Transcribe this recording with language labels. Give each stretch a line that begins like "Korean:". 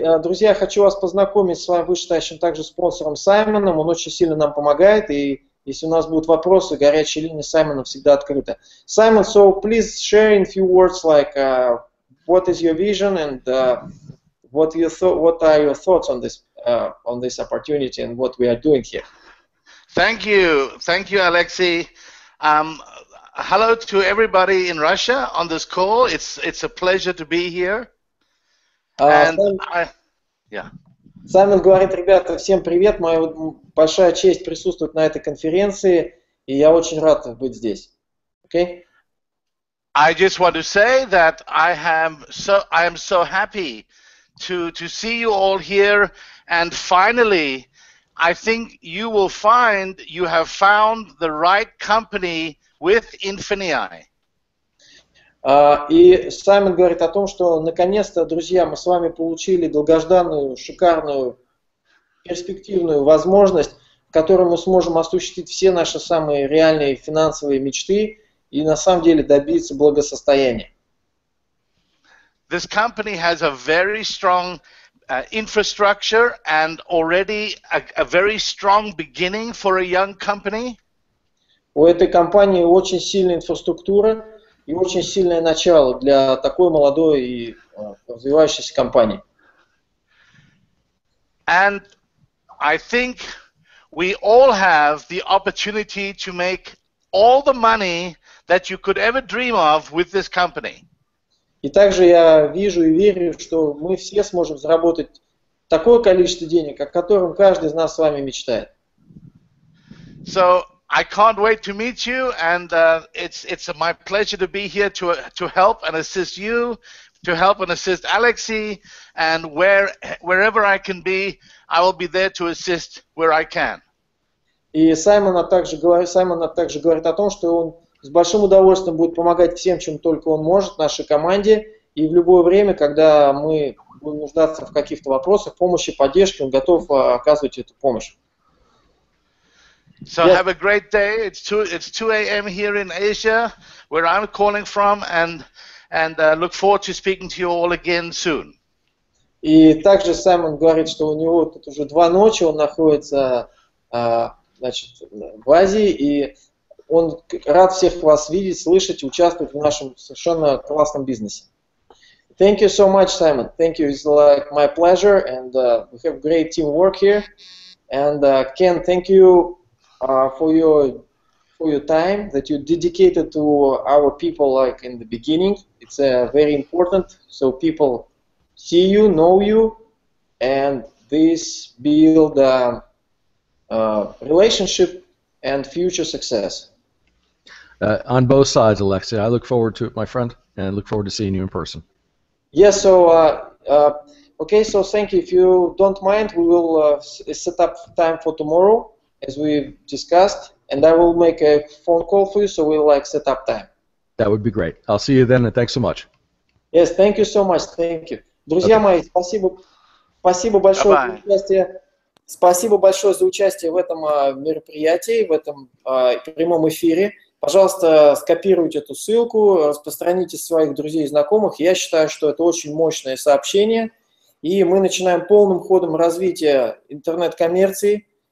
Russian: Друзья, хочу вас познакомить с вами вышестоящим также спонсором Саймоном. Он очень сильно нам помогает и... Если у нас будут вопросы, горячая линия Саймона всегда открыта.
English: Simon, so please share in few words, like what is your vision and what are your thoughts on this opportunity and what we are doing here. Thank you, Alexey. Hello to everybody in Russia on this call. It's a pleasure to be here.
Russian: Саймон говорит, ребята, всем привет, моя большая честь присутствовать на этой конференции, и я очень рад быть здесь.
English: Okay? I just want to say that I am so happy to see you all here, and finally, I think you will find you have found the right company with Infinii.
Russian: И Саймон говорит о том, что наконец-то, друзья, мы с вами получили долгожданную, шикарную, перспективную возможность, в которой мы сможем осуществить все наши самые реальные финансовые мечты и на самом деле добиться благосостояния.
English: This company has a very strong infrastructure and already a very strong beginning for a young company.
Russian: У этой компании очень сильная инфраструктура. И очень сильное начало для такой молодой и развивающейся компании.
English: And I think we all have the opportunity to make all the money that you could ever dream of with this company.
Russian: И также я вижу и верю, что мы все сможем заработать такое количество денег, о котором каждый из нас с вами мечтает.
English: So I can't wait to meet you, and it's my pleasure to be here to help and assist you, to help and assist Alexey, and wherever I can be, I will be there to assist where I can.
Russian: И Саймон также говорит о том, что он с большим удовольствием будет помогать всем, чем только он может, нашей команде, и в любое время, когда мы будем нуждаться в каких-то вопросах, помощи, поддержке, он готов оказывать эту помощь.
English: So yes. Have a great day. It's 2 a.m. here in Asia, where I'm calling from, and look forward to speaking to you all again soon.
Russian: И также Саймон говорит, что у него тут уже 2 ночи, он находится, значит, в Азии, и он рад всех вас видеть, слышать, участвовать в нашем совершенно классном бизнесе.
English: Thank you so much, Simon. Thank you. It's like my pleasure, and we have great teamwork here. And Ken, thank you. For your time that you dedicated to our people, like in the beginning, it's very important. So people see you, know you, and this build relationship and future success. On both sides, Alexey, I look forward to it, my friend, and look forward to seeing you in person. Yes. Yeah, so. Okay. So thank you. If you don't mind, we will set up time for tomorrow. As we've discussed, and I will make a phone call for you, so we'll like set up time. That would be great. I'll see you then, and thanks so much. Yes, thank you so much. Thank you.
Russian: Друзья мои, спасибо большое за участие. Спасибо большое за участие в этом мероприятии, в этом прямом эфире. Пожалуйста, скопируйте эту ссылку, распространите своих друзей и знакомых. Я считаю, что это очень мощное сообщение, и мы начинаем полным ходом развития интернет-коммерции.